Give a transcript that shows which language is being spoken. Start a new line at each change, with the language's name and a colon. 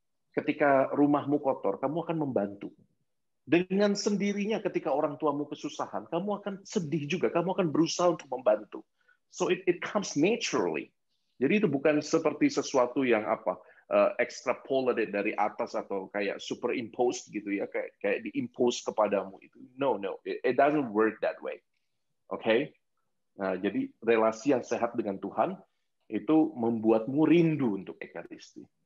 Indonesian: Ketika rumahmu kotor, kamu akan membantu. Dengan sendirinya ketika orang tuamu kesusahan, kamu akan sedih juga, kamu akan berusaha untuk membantu.
English: So it comes naturally.
Indonesian: Jadi itu bukan seperti sesuatu yang extrapolated dari atas atau kayak superimposed gitu ya, kayak diimpose kepadamu itu.
English: No, it doesn't work that way. Okay?
Indonesian: Nah, jadi relasi yang sehat dengan Tuhan itu membuatmu rindu untuk Ekaristi.